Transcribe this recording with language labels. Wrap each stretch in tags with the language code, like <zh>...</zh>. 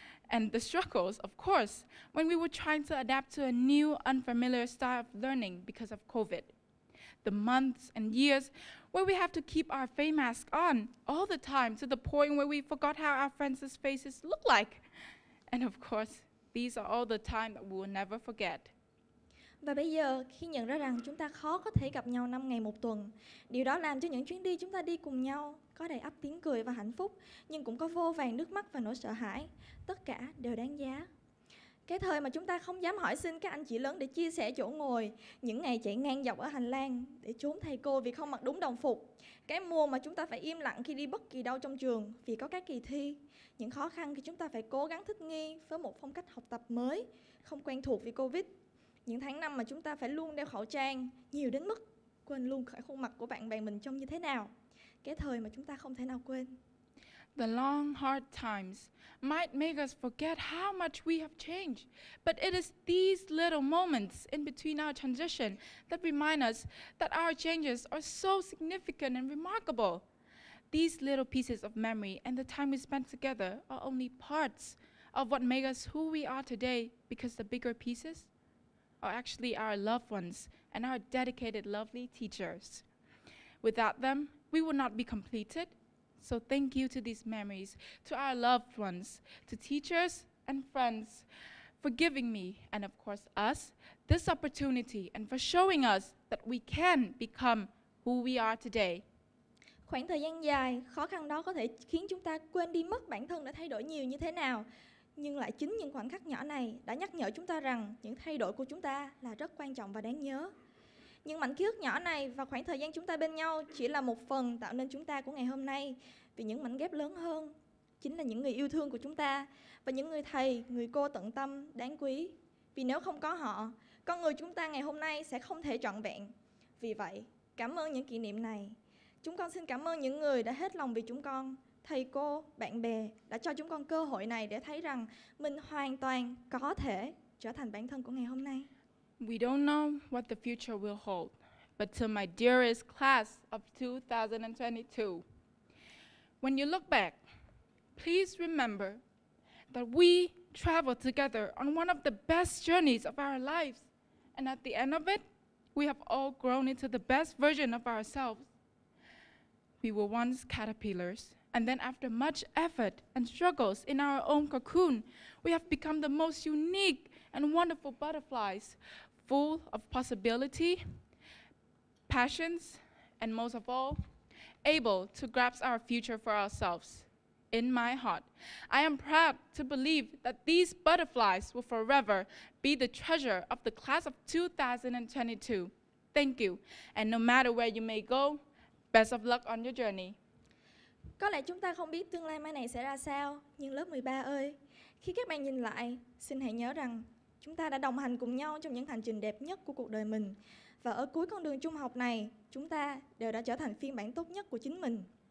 <en>And the struggles, of course, when we were trying to adapt to a new, unfamiliar style of learning because of COVID. The months and years where we have to keep our face mask on all the time to the point where we forgot how our friends' faces look like. And of course, these are all the time that we will never forget.</en> <vi>Và bây giờ, khi nhận ra rằng chúng ta khó có thể gặp nhau 5 ngày một tuần, điều đó làm cho những chuyến đi chúng ta đi cùng nhau có đầy ắp tiếng cười và hạnh phúc, nhưng cũng có vô vàn nước mắt và nỗi sợ hãi. Tất cả đều đáng giá. Cái thời mà chúng ta không dám hỏi xin các anh chị lớn để chia sẻ chỗ ngồi, những ngày chạy ngang dọc ở hành lang để trốn thầy cô vì không mặc đúng đồng phục, cái mùa mà chúng ta phải im lặng khi đi bất kỳ đâu trong trường vì có các kỳ thi, những khó khăn khi chúng ta phải cố gắng thích nghi với một phong cách học tập mới, không quen thuộc vì Covid, những tháng năm mà chúng ta phải luôn đeo khẩu trang nhiều đến mức quên luôn cả khuôn mặt của bạn bè mình trông như thế nào, cái thời mà chúng ta không thể nào quên.</vi> <en>The long, hard times might make us forget how much we have changed, but it is these little moments in between our transition that remind us that our changes are so significant and remarkable. These little pieces of memory and the time we spent together are only parts of what make us who we are today, because the bigger pieces are actually our loved ones and our dedicated, lovely teachers. Without them, we would not be completed. So thank you to these memories, to our loved ones, to teachers and friends for giving me, and of course us, this opportunity and for showing us that we can become who we are today.</en> <vi>Khoảng thời gian dài, khó khăn đó có thể khiến chúng ta quên đi mất bản thân đã thay đổi nhiều như thế nào. Nhưng lại chính những khoảnh khắc nhỏ này đã nhắc nhở chúng ta rằng những thay đổi của chúng ta là rất quan trọng và đáng nhớ. Những mảnh ký ức nhỏ này và khoảng thời gian chúng ta bên nhau chỉ là một phần tạo nên chúng ta của ngày hôm nay. Vì những mảnh ghép lớn hơn chính là những người yêu thương của chúng ta và những người thầy, người cô tận tâm, đáng quý. Vì nếu không có họ, con người chúng ta ngày hôm nay sẽ không thể trọn vẹn. Vì vậy, cảm ơn những kỷ niệm này. Chúng con xin cảm ơn những người đã hết lòng vì chúng con, thầy cô, bạn bè đã cho chúng con cơ hội này để thấy rằng mình hoàn toàn có thể trở thành bản thân của ngày hôm nay.</vi> <en>We don't know what the future will hold, but to my dearest class of 2022, when you look back, please remember that we traveled together on one of the best journeys of our lives, and at the end of it, we have all grown into the best version of ourselves. We were once caterpillars, and then after much effort and struggles in our own cocoon, we have become the most unique and wonderful butterflies, full of possibility, passions, and most of all, able to grasp our future for ourselves. In my heart, I am proud to believe that these butterflies will forever be the treasure of the class of 2022. Thank you, and no matter where you may go, best of luck on your journey.</en> <vi>Có lẽ chúng ta không biết tương lai mai này sẽ ra sao, nhưng lớp 13 ơi, khi các bạn nhìn lại, xin hãy nhớ rằng chúng ta đã đồng hành cùng nhau trong những hành trình đẹp nhất của cuộc đời mình. Và ở cuối con đường trung học này, chúng ta đều đã trở thành phiên bản tốt nhất của chính mình.</vi>